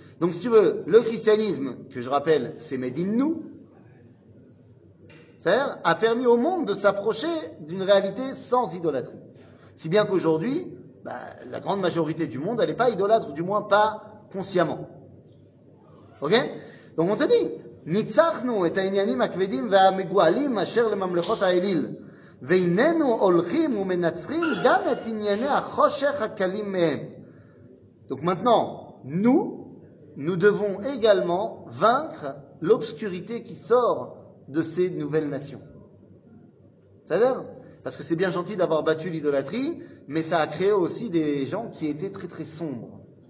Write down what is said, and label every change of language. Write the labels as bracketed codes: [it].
[fr] Donc si tu veux, le christianisme, que je rappelle, c'est made in nous, c'est-à-dire, a permis au monde de s'approcher d'une réalité sans idolâtrie. Si bien qu'aujourd'hui, bah, la grande majorité du monde, elle n'est pas idolâtre, ou du moins pas consciemment. Ok? Donc on te dit, [he] ניצחנו את העניינים הכבדים והמגועלים אשר לממלכות האליל, ואיננו הולכים ומנצחים גם את ענייני החושך הקלים מהם. [fr] Donc maintenant, nous devons également vaincre l'obscurité qui sort de ces nouvelles nations. Ça a l'air? Parce que c'est bien gentil d'avoir battu l'idolâtrie, mais ça a créé aussi des gens qui étaient très très sombres.